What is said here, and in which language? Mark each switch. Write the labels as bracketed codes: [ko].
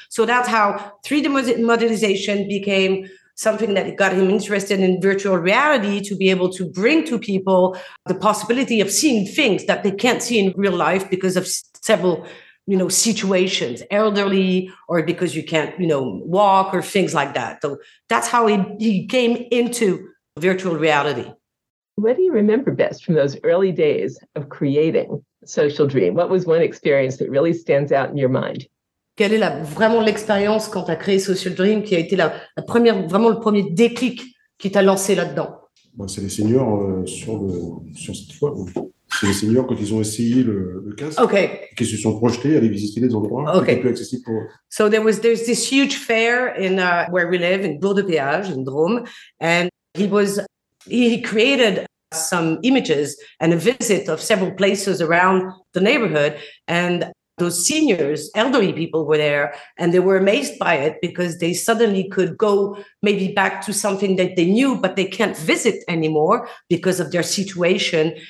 [en] So that's how 3D modelization became something that got him interested in virtual reality, to be able to bring to people the possibility of seeing things that they can't see in real life because of several, you know, situations, elderly, or because you can't, you know, walk or things like that. So that's how he came into virtual reality. What do you remember best from those early days of creating SOCIALDREAM? What was one experience that really stands out in your mind? [fr] Quelle est vraiment l'expérience quand tu as créé SOCIALDREAM qui a été la première, vraiment le premier déclic qui t'a lancé là-dedans? Bon, c'est les seniors sur cette fois. C'est les seniors quand ils ont essayé le casque, [en] okay, [fr] qui se sont projetés à aller visiter des endroits qui étaient plus accessibles pour eux. [en] So there's this huge fair in where we live in Bourg-de-Péage, in Drôme, and he created some images and a visit of several places around the neighborhood, and those seniors, elderly people were there, and they were amazed by it because they suddenly could go maybe back to something that they knew but they can't visit anymore because of their situation.